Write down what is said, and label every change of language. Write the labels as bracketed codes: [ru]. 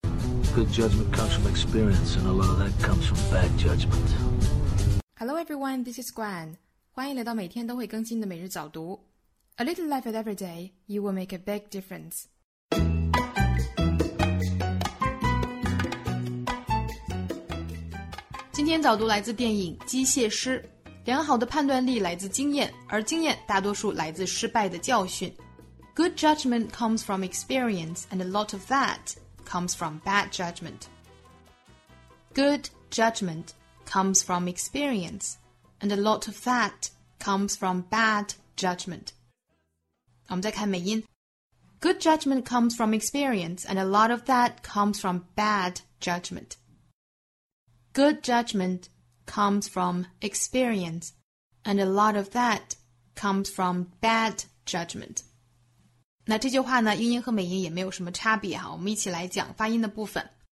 [en] good judgment comes from experience, and a lot of that comes from bad judgment. Hello everyone, this is Gwen. [zh] 欢迎来到每天都会更新的每日早读。 [en] A little life at every day, you will make a big difference. [zh] 今天早读来自电影《机械师》。良好的判断力来自经验，而经验大多数来自失败的教训。 [en] Good judgment comes from experience, and a lot of that comes from bad judgment. Good judgment comes from experience, and a lot of that comes from bad judgment. [zh] 我们再看美音。 [en] Good judgment comes from experience, and a lot of that comes from bad judgment. Good judgment comes from experience, and a lot of that comes from bad judgment. [zh] 那这句话呢，英音和美音也没有什么差别哈。我们一起来讲发音的部分。